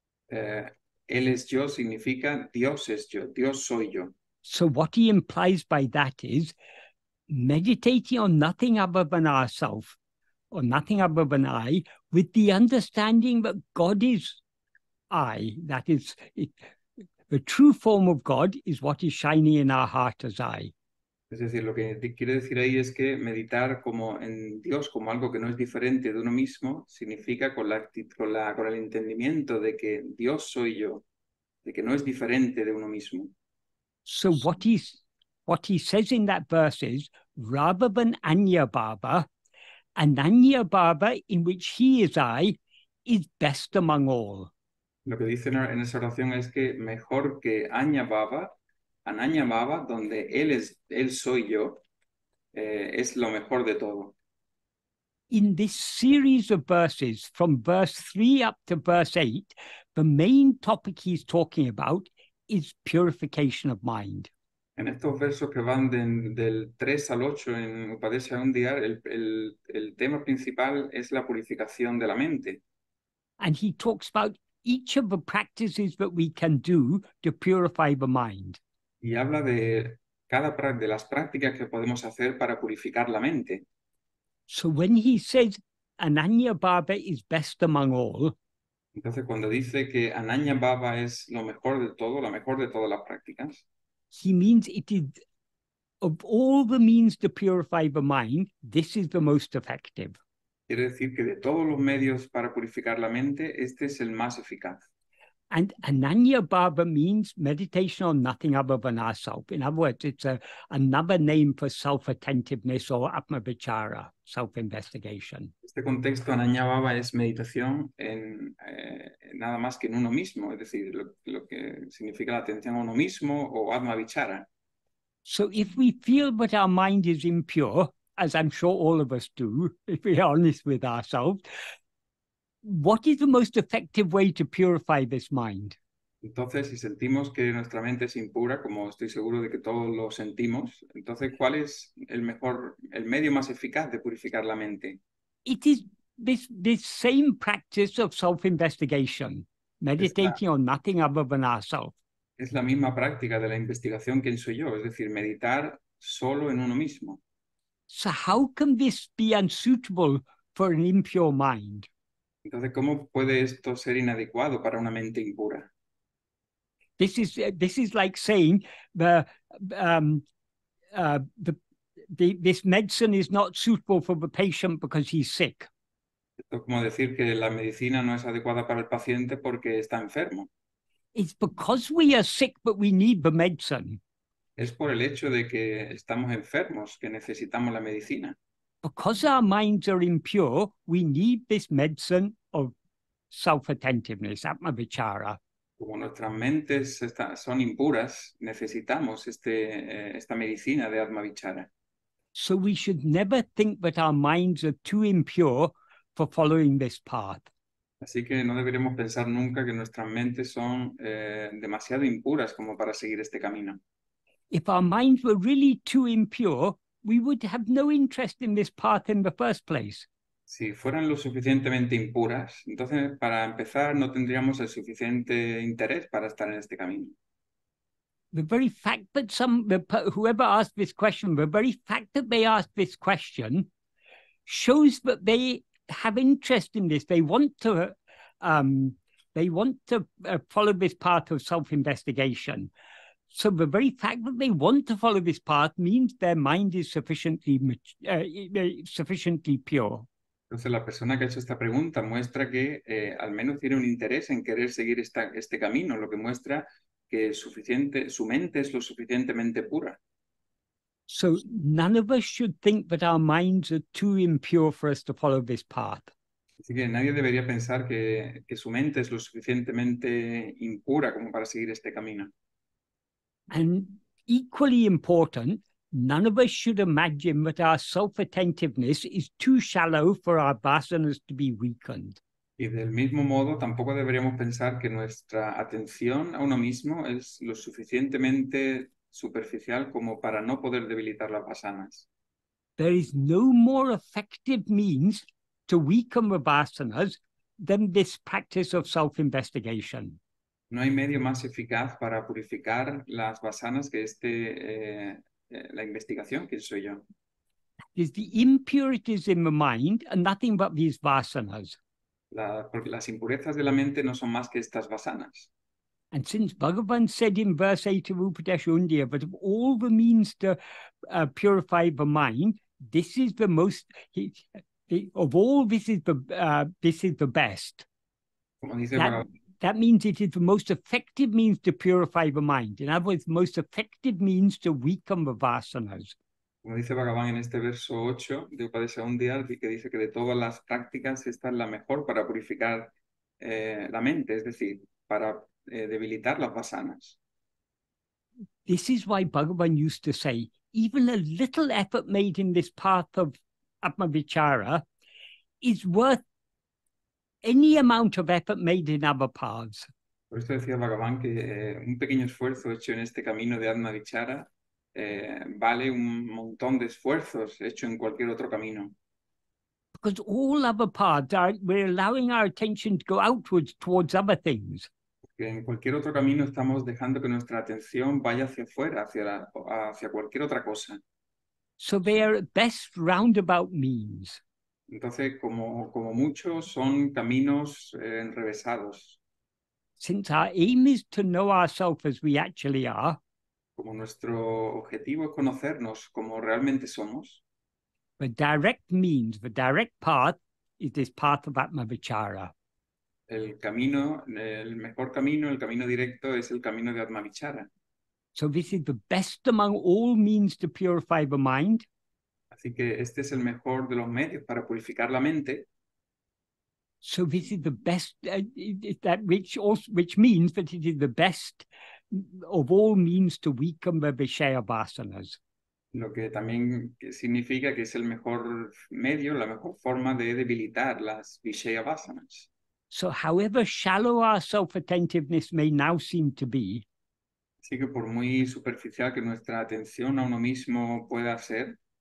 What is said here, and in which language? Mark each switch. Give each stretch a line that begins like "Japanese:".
Spanish: Él es yo significa Dios es yo, Dios soy yo.
English: So what he implies by that is meditating on nothing other than ourself, or nothing other than I, with the understanding that God is I. That is, the true form of God is what is shining in our heart as I.
Spanish: Es decir, lo que quiere decir ahí es que meditar como en Dios como algo que no es diferente de uno mismo significa con el entendimiento de que Dios soy yo. de que no es diferente de uno mismo.
English: So what he says in that verse is rather than Anyabhava, Ananyabhava in which he is I is best among all.
Spanish: Lo que dice en esa oración es que mejor que Anyabhava, Ananyabhava, donde él es, él soy yo, es lo mejor de todo.
English: In this series of verses, from verse 3 up to verse 8, the main topic he's talking about is purification of mind.
Spanish: En estos versos que van del 3 al 8 en 𝘷𝘪ṣ𝘢𝘺𝘢, el tema principal es la purificación de la mente.
English: And he talks about each of the practices that we can do to purify the mind.
Spanish: Y habla de cada de las prácticas que podemos hacer para purificar la mente.
English: So when he says Ananyabhava is best among all,
Spanish: entonces cuando dice que Ananyabhava es lo mejor de todo, la mejor de todas las prácticas,
English: he means it is of all the means to purify the mind, this is the most effective.
Spanish: Quiere decir que de todos los medios para purificar la mente, este es el más eficaz.
English: And Ananyabhava means meditation on nothing other than ourself. In other words, it's another name for self-attentiveness or Atma-vichara, self-investigation.
Spanish: Este contexto, Ananyabhava, es meditación en nada más que en uno mismo, es decir, lo que significa la atención a uno mismo o Atma-vichara.
English: So if we feel that our mind is impure, as I'm sure all of us do, if we're honest with ourselves, what is the most effective way to purify this mind?
Spanish: Entonces, si sentimos que nuestra mente es impura, como estoy seguro de que todos lo sentimos, entonces, ¿cuál es el medio más eficaz de purificar la mente?
English: It is this same practice of self-investigation, meditating on nothing other than ourselves.
Spanish: Es la misma práctica de la investigación quién soy yo, es decir, meditar solo en uno mismo.
English: So how can this be unsuitable for an impure mind?
Spanish: Entonces, ¿cómo puede esto ser inadecuado para una mente impura?
English: This is like saying this medicine is not suitable for the patient because he's sick.
Spanish: Esto es como decir que la medicina no es adecuada para el paciente porque está enfermo.
English: It's because we are sick but we need the medicine.
Spanish: Es por el hecho de que estamos enfermos que necesitamos la medicina.
English: Because our minds are impure, we need this medicine of self-attentiveness, Atma-vichara.
Spanish: Como nuestras mentes son impuras, necesitamos esta medicina de Atma-vichara.
English: So we should never think that our minds are too impure for following this path.
Spanish: Así que no deberíamos pensar nunca que nuestras mentes son demasiado impuras como para seguir este camino.
English: If our minds were really too impure, we would have no interest in this path in the first place.
Spanish: Si fueran lo suficientemente impuras, entonces para empezar no tendríamos el suficiente interés para estar en este camino.
English: The very fact that whoever asked this question, the very fact that they asked this question shows that they have interest in this. They want to follow this path of self-investigation. So the very fact that they want to follow this path means their mind is sufficiently pure.
Spanish: Entonces la persona que ha hecho esta pregunta muestra que al menos tiene un interés en querer seguir este camino, lo que muestra que su mente es lo suficientemente pura.
English: So none of us should think that our minds are too impure for us to follow this path.
Spanish: Así que nadie debería pensar que su mente es lo suficientemente impura como para seguir este camino.
English: And equally important, none of us should imagine that our self-attentiveness is too shallow for our vasanas to be weakened.
Spanish: Y del mismo modo, tampoco deberíamos pensar que nuestra atención a uno mismo es lo suficientemente superficial como para no poder debilitar las vasanas.
English: There is no more effective means to weaken the vasanas than this practice of self-investigation.
Spanish: No hay medio más eficaz para purificar las vasanas que la investigación, ¿quién soy yo?
English: Is the impurities in the mind and nothing but these vasanas.
Spanish: Porque las impurezas de la mente no son más que estas vasanas.
English: And since Bhagavan said in verse 8 of 𝘷𝘪𝘢𝘺𝘢𝘺, but of all the means to purify the mind, this is the most, of all, this is the best.
Spanish: Como dice Bhagavan.
English: That means it is the most effective means to purify the mind. In other words, the most effective means to weaken the vasanas.
Spanish: Como dice Bhagavan en este verso 8 de 𝘷𝘪 ṣa un día, que dice que de todas las prácticas esta es la mejor para purificar la mente, es decir, para debilitar las vasanas.
English: This is why Bhagavan used to say, even a little effort made in this path of Atma-vichara is worth any amount of effort made in other paths.
Spanish: Por esto decía Bhagavan que un pequeño esfuerzo hecho en este camino de Atma-vichara vale un montón de esfuerzos hecho en cualquier otro camino.
English: Because all other paths, we're allowing our attention to go outwards towards other things.
Spanish: Que en cualquier otro camino estamos dejando que nuestra atención vaya hacia afuera, hacia cualquier otra cosa.
English: So they are best roundabout means.
Spanish: Entonces, como muchos, son caminos enrevesados.
English: Since our aim is to know ourselves as we actually are,
Spanish: como nuestro objetivo es conocernos como realmente somos,
English: the direct means, the direct path, is this path of Atma-vichara.
Spanish: El camino, el mejor camino, el camino directo es el camino de Atma-vichara.
English: So this is the best among all means to purify the mind.
Spanish: Así que este es el mejor de los medios para purificar la mente.
English: So this is the best, that which also, which means that it is the best of all means to weaken the vishaya vasanas.
Spanish: Lo que también significa que es el mejor medio, la mejor forma de debilitar las vishaya vasanas.
English: So however shallow our self-attentiveness may now seem to be,
Spanish: así que por muy superficial que nuestra atención a uno mismo pueda ser,